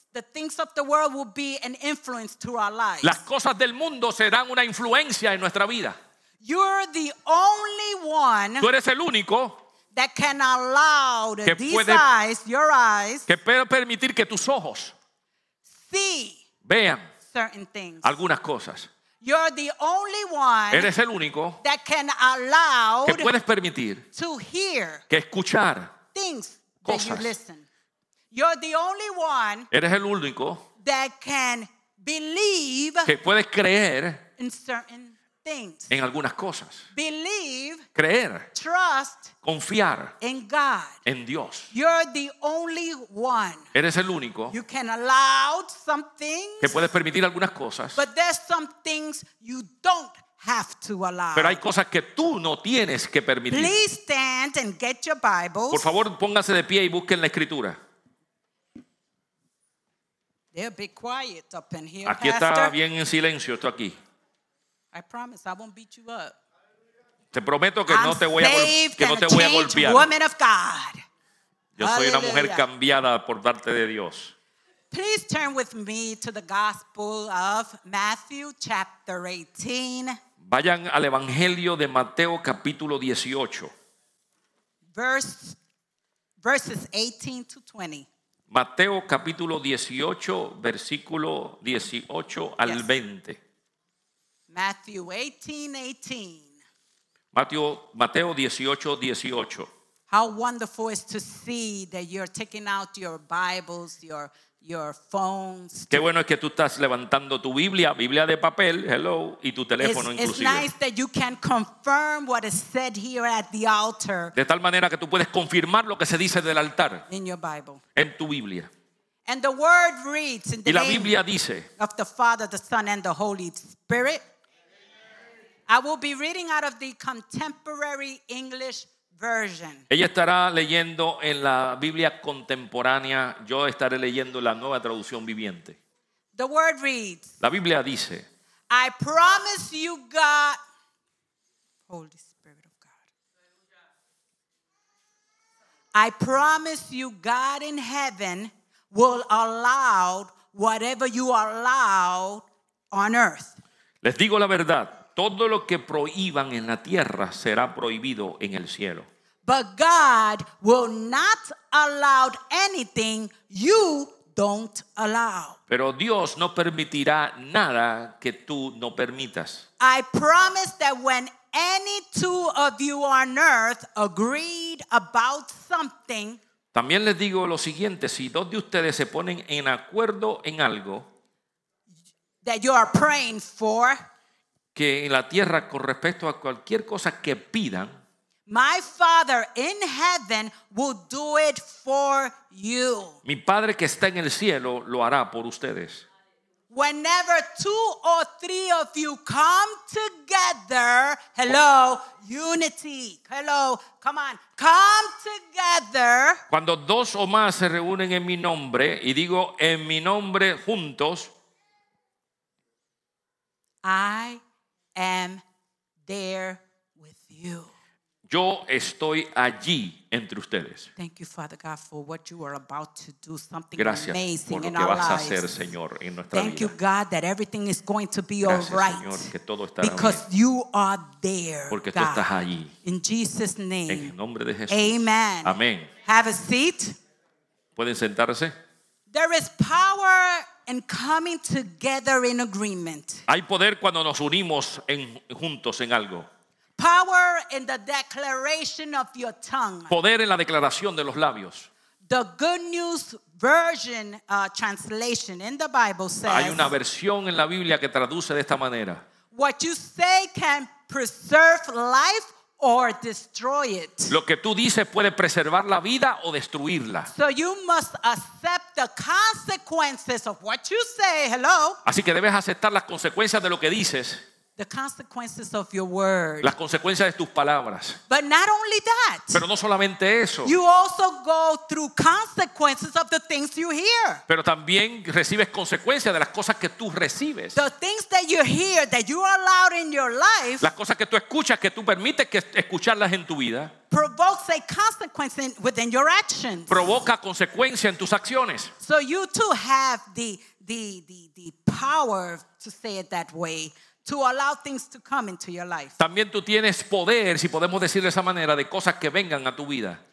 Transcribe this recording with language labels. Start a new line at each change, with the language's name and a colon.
English: The things of the world will be an influence to our lives.
Spanish: Las cosas del mundo serán una influencia en nuestra vida.
English: You're the only one.
Spanish: Tú eres el único.
English: That can allow
Spanish: que
English: these
Spanish: puede,
English: eyes, your eyes,
Spanish: que puede permitir que tus ojos
English: see,
Spanish: vean
English: certain things,
Spanish: algunas cosas.
English: You're the only one,
Spanish: eres el único,
English: that can allow,
Spanish: que puedes permitir,
English: to hear,
Spanish: que escuchar,
English: things,
Spanish: cosas,
English: that you listen. You're the only one,
Spanish: eres el único,
English: that can believe,
Spanish: que puedes creer,
English: in certain things,
Spanish: en algunas cosas.
English: Believe,
Spanish: creer,
English: trust,
Spanish: confiar,
English: in God,
Spanish: en Dios.
English: You're the only one.
Spanish: Eres el único.
English: You can allow some things.
Spanish: Que puedes permitir algunas cosas.
English: But there's some things you don't have to allow.
Spanish: Pero hay cosas que tú no tienes que permitir.
English: Please stand and get your Bibles.
Spanish: Por favor, póngase de pie y busquen la escritura.
English: They'll be quiet up in here.
Spanish: Aquí
English: Pastor.
Spanish: Está bien en silencio esto aquí.
English: I promise I won't beat you up.
Spanish: Te prometo que no te voy a golpear.
English: Woman of God.
Spanish: Yo soy una mujer cambiada por darte de Dios.
English: Please turn with me to the Gospel of Matthew chapter 18.
Spanish: Vayan al Evangelio de Mateo capítulo 18.
English: Verses 18 to 20.
Spanish: Mateo capítulo 18, versículo 18 al 20.
English: Matthew 18:18.
Spanish: Mateo 18, 18.
English: How wonderful is to see that you're taking out your Bibles, your phones.
Spanish: Qué bueno es que tú estás levantando tu Biblia, Biblia de papel,
English: hello,
Spanish: y tu teléfono inclusive.
English: It's nice that you can confirm what is said here at the altar.
Spanish: De tal manera que tú puedes confirmar lo que se dice del altar.
English: In your Bible.
Spanish: En tu Biblia.
English: And the word reads in the
Spanish: name dice,
English: of the Father, the Son, and the Holy Spirit. I will be reading out of the Contemporary English Version.
Spanish: Ella estará leyendo en la Biblia contemporánea. Yo estaré leyendo la Nueva Traducción Viviente.
English: The word reads.
Spanish: La Biblia dice.
English: I promise you, God. Holy Spirit of God. I promise you, God in heaven will allow whatever you allow on earth.
Spanish: Les digo la verdad. Todo lo que prohíban en la tierra será prohibido en el cielo.
English: But God will not allow anything you don't allow.
Spanish: Pero Dios no permitirá nada que tú no permitas.
English: I promise that when any two of you on earth agreed about something.
Spanish: También les digo lo siguiente, si dos de ustedes se ponen en acuerdo en algo
English: that you are praying for,
Spanish: que en la tierra con respecto a cualquier cosa que pidan,
English: my Father in heaven will do it for you.
Spanish: Mi Padre que está en el cielo lo hará por ustedes.
English: Whenever two or three of you come together, hello, unity, hello, come on, come together.
Spanish: Cuando dos o más se reúnen en mi nombre y digo en mi nombre juntos,
English: I am there with you.
Spanish: Yo estoy allí entre ustedes.
English: Thank you, Father God, for what you are about to do something
Spanish: Gracias
English: amazing
Spanish: por lo que vas
English: lives.
Spanish: A hacer, Señor, en nuestra
English: Thank
Spanish: vida.
English: You, God, that everything is going to be
Spanish: Gracias,
English: all right.
Spanish: Señor, que todo estará
English: because
Spanish: bien.
English: You are there,
Spanish: Porque
English: God.
Spanish: Tú estás allí.
English: In Jesus' name.
Spanish: En el nombre de Jesús.
English: Amen.
Spanish: Amén.
English: Have a seat.
Spanish: Pueden sentarse.
English: There is power in coming together in agreement.
Spanish: Hay poder cuando nos unimos en, juntos en algo.
English: Power in the declaration of your tongue.
Spanish: Poder en la declaración de los labios.
English: The Good News Version translation in the Bible says.
Spanish: Hay una versión en la Biblia que traduce de esta manera.
English: What you say can preserve life or destroy it.
Spanish: Lo que tú dices puede preservar la vida o destruirla.
English: So you must accept the consequences of what you say. Hello.
Spanish: Así que debes aceptar las consecuencias de lo que dices.
English: The consequences of your word.
Spanish: Las consecuencias de tus palabras.
English: But not only that.
Spanish: Pero no solamente eso.
English: You also go through consequences of the things you hear.
Spanish: Pero también recibes consecuencias de las cosas que tú recibes.
English: The things that you hear that you allow in your life.
Spanish: Las cosas que tú escuchas que tú permites que escucharlas en tu vida.
English: Provokes a consequence within your actions.
Spanish: Provoca consecuencia en tus acciones.
English: So you too have the power to say it that way. To allow things to come into your life.
Spanish: También tú tienes poder, si podemos decir de esa manera, de cosas que vengan a tu vida.